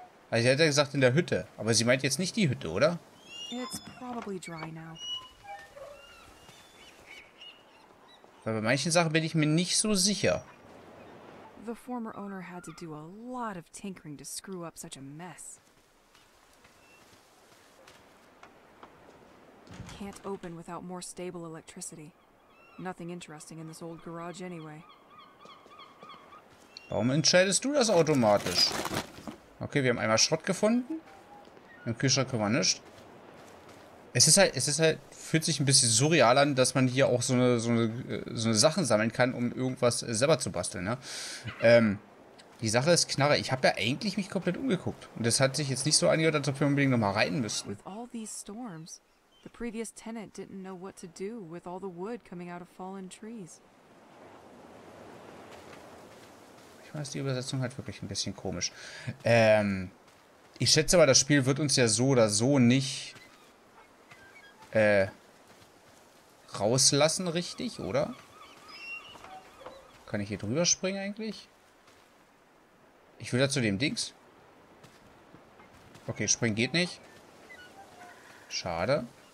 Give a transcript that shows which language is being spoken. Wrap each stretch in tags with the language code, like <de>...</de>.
<de>Also, sie hat ja gesagt, in der Hütte. Aber sie meint jetzt nicht die Hütte, oder?</de> <en>It's probably dry now.</en> <de>Weil bei manchen Sachen bin ich mir nicht so sicher.</de> <en>The former owner had to do a lot of tinkering to screw up such a mess. Can't open without more stable electricity. Nothing interesting in this old garage anyway.</en> <de>Warum entscheidest du das automatisch? Okay, wir haben einmal Schrott gefunden. Im Kühlschrank können wir nichts. Es ist halt, fühlt sich ein bisschen surreal an, dass man hier auch so eine Sachen sammeln kann, um irgendwas selber zu basteln, ne? Die Sache ist, Knarre, ich habe ja eigentlich mich komplett umgeguckt. Und es hat sich jetzt nicht so angehört, als ob wir unbedingt nochmal rein müssten.</de> <en>With all these storms, the previous tenant didn't know what to do with all the wood coming out of fallen trees.</en> <de>Ich weiß, die Übersetzung halt wirklich ein bisschen komisch. Ich schätze aber, das Spiel wird uns ja so oder so nicht rauslassen, richtig, oder? Kann ich hier drüber springen eigentlich? Ich will da zu dem Dings. Okay, springen geht nicht. Schade.</de>